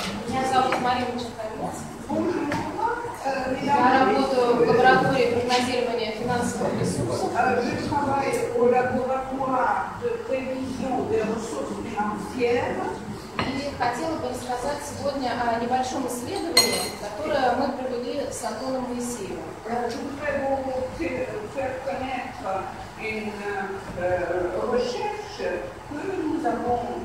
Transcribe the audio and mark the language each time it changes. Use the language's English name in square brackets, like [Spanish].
[Russian] Меня зовут Марина Чехарец. Я работаю в лаборатории прогнозирования финансовых ресурсов. [French] Je travaille au laboratoire de prévision des ressources financières. [Russian] И хотела бы рассказать сегодня о небольшом исследовании, которое мы провели с Антоном Моисеевым. [French] Je voudrais faire connaître une recherche que nous avons